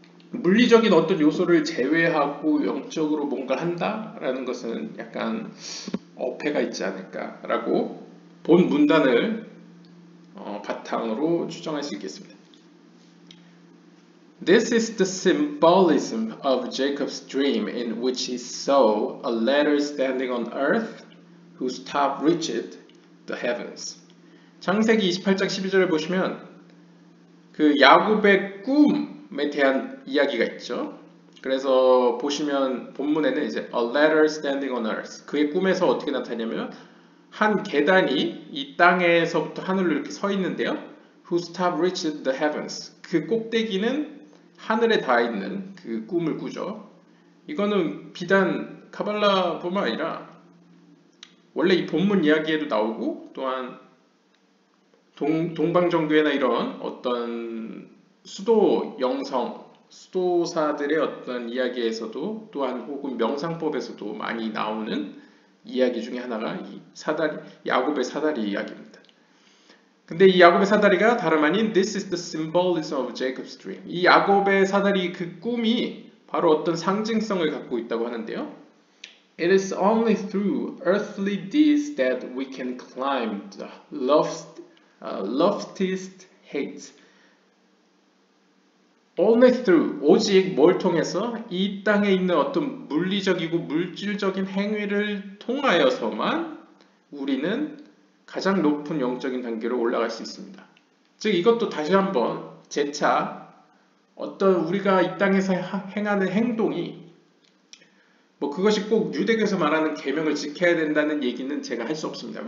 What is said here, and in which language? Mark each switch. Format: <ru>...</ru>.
<ko>물리적인 어떤 요소를 제외하고 영적으로 뭔가를 한다라는 것은 약간 어폐가 있지 않을까라고 본 문단을 바탕으로 추정할 수 있겠습니다.</ko> <en>This is the symbolism of Jacob's dream in which he saw a ladder standing on earth whose top reached the heavens.</en> <ko>창세기 28장 12절을 보시면 그 야곱의 꿈에 대한 이야기가 있죠. 그래서 보시면 본문에는 이제</ko> <en>a ladder standing on earth.</en> <ko>그의 꿈에서 어떻게 나타나냐면 한 계단이 이 땅에서부터 하늘로 이렇게 서 있는데요.</ko> <en>whose top reached the heavens.</en> <ko>그 꼭대기는 하늘에 닿아 있는 그 꿈을 꾸죠. 이거는 비단 카발라뿐만 아니라 원래 이 본문 이야기에도 나오고 또한 동방정교회나 이런 어떤 수도 영성, 수도사들의 어떤 이야기에서도 또한 혹은 명상법에서도 많이 나오는 이야기 중에 하나가 이 사다리, 야곱의 사다리 이야기입니다. 근데 이 야곱의 사다리가 다름 아닌</ko> <en>This is the symbolism of Jacob's dream.</en> <ko>이 야곱의 사다리 그 꿈이 바로 어떤 상징성을 갖고 있다고 하는데요.</ko> <en>It is only through earthly deeds that we can climb the loftiest heights. Only through,</en> <ko>오직 뭘 통해서? 이 땅에 있는 어떤 물리적이고 물질적인 행위를 통하여서만 우리는 가장 높은 영적인 단계로 올라갈 수 있습니다. 즉 이것도 다시 한번 재차 어떤 우리가 이 땅에서 행하는 행동이 뭐 그것이 꼭 유대교에서 말하는 계명을 지켜야 된다는 얘기는 제가 할 수 없습니다.</ko>